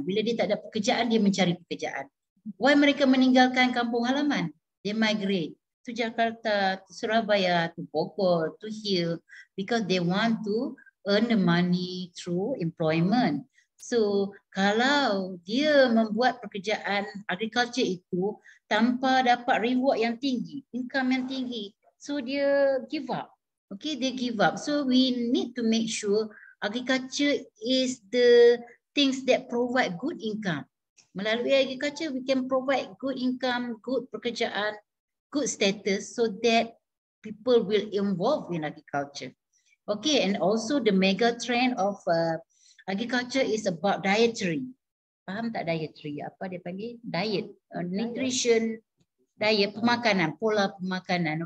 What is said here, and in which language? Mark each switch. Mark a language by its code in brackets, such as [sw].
[ms] Bila dia tak ada pekerjaan, dia mencari pekerjaan. [en] Why [ms] mereka meninggalkan kampung halaman? [en] They migrate to Jakarta, to Surabaya, to Bogor, to here, because they want to earn the money through employment. [ms] So kalau dia membuat pekerjaan agriculture itu tanpa dapat reward yang tinggi, income yang tinggi, so dia [en] give up. Okay, they give up. So we need to make sure agriculture is the things that provide good income. [ms] Melalui [en] agriculture, we can provide good income, good [ms] pekerjaan, [en] good status, so that people will involve in agriculture. Okay, and also the mega trend of agriculture is about dietary. [ms] Faham tak dietary? Apa dia panggil? Diet. [en] Nutrition, diet, [ms] pemakanan, pola pemakanan.